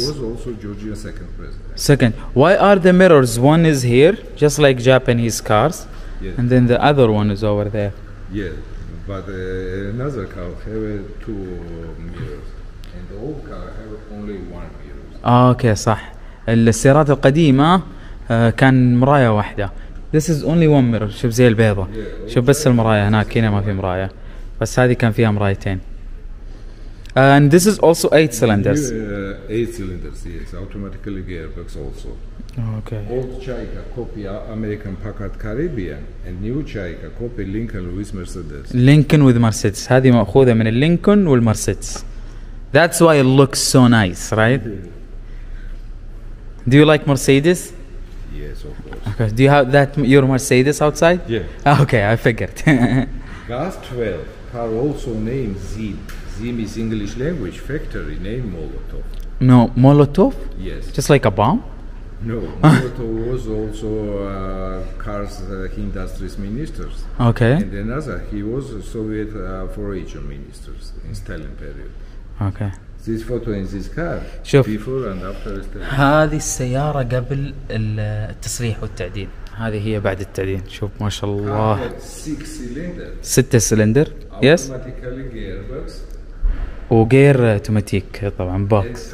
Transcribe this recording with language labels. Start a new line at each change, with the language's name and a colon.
English: He was also Georgian second president. Second. Why are the mirrors? One is here, just like Japanese cars. Yes. And then the other one is over there. Yes, but another car have two mirrors. And the old car have only one mirror. Okay,
Arabic: صح. السيارات القديمة كان مراية واحدة.
English: This is only one mirror.
Arabic: شوف زي البيضة. شوف بس المراية هناك هنا ما في مراية. بس هذه كان فيها مرايتين.
English: And this is also eight cylinders. Eight cylinders, yes. Automatically gearbox also. Okay. Old Chaika copy American Packard Caribbean and new Chaika copy Lincoln with Mercedes. Lincoln with Mercedes.
Arabic: هذه مأخوذة من اللينكون والمرسيدس.
English: That's why it looks so nice, right? Do you like Mercedes? Yes, of course. Okay. Do you have that your Mercedes outside? Yeah. Okay, I figured. Gas 12, car also named Zim. Zim is English language factory name Molotov. No, Molotov? Yes. Just like a bomb? No, Molotov was also cars industries ministers. Okay. And another, he was Soviet foreign ministers in Stalin period. Okay. This photo in this car.
Arabic: شوف.
English: Before and after Stalin.
Arabic: هذه السيارة قبل التصريح والتعديل. هذه هي بعد التعديل. شوف ما شاء الله. ستة سلندر. Yes.
English: Automatically gearbox.
Arabic: وغير أوتوماتيك طبعاً باكس.